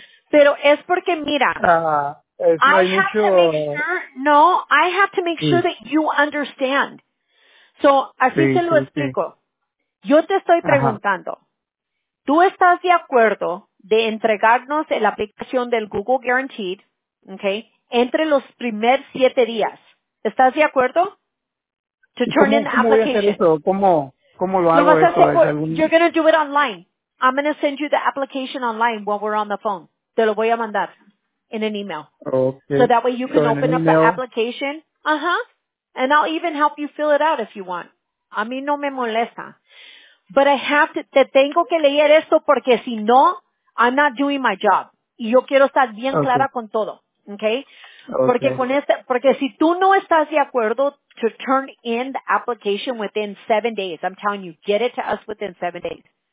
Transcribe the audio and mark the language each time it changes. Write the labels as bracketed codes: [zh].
[es] Pero es porque, mira, [en] I have to make sure that you understand. [es] So, así sí, te lo sí, explico. Sí. Yo te estoy preguntando, ¿tú estás de acuerdo de entregarnos la aplicación del Google Guaranteed, okay, entre los primeros 7 días? ¿Estás de acuerdo? [en] To turn in application. [es] ¿Cómo voy a hacer eso? ¿Cómo lo hago eso? [en] You're going to do it online. I'm going to send you the application online while we're on the phone. [es] Te lo voy a mandar [en] in an email. [es] Okay. [en] So that way you can open up the application. Uh-huh. And I'll even help you fill it out if you want. [es] A mí no me molesta. [en] But I have to, [es] te tengo que leer esto porque si no, [en] I'm not doing my job. [es] Y yo quiero estar bien clara con todo. Okay? Porque porque si tú no estás de acuerdo [en] to turn in the application within 7 days, I'm telling you, get it to us within 7 days.